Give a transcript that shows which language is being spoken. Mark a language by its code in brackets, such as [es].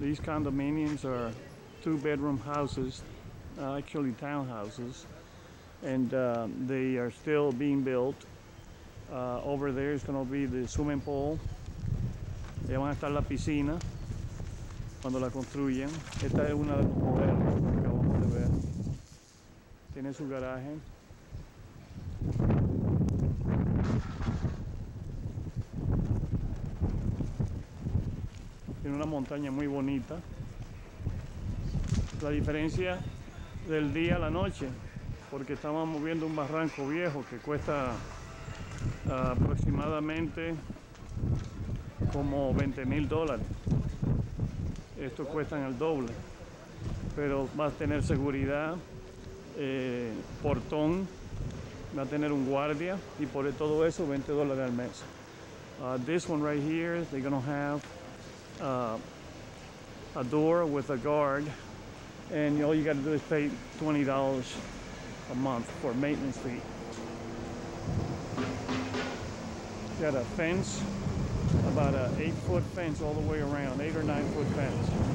[en] These condominiums are two bedroom houses, actually townhouses, and they are still being built. Over there is going to be the swimming pool. [es] Ahí van a estar la piscina cuando la construyen. Esta es una de las modelos que acabamos de ver. Tiene su garaje. Tiene una montaña muy bonita. La diferencia del día a la noche, porque estábamos viendo un barranco viejo que cuesta aproximadamente como 20 mil dólares. Esto cuesta el doble, pero va a tener seguridad, portón, va a tener un guardia y por todo eso 20 dólares al mes. [en] This one right here, they're gonna have a door with a guard, and all you got to do is pay $20 a month for maintenance fee. Got a fence, about an 8-foot fence all the way around, 8 or 9 foot fence.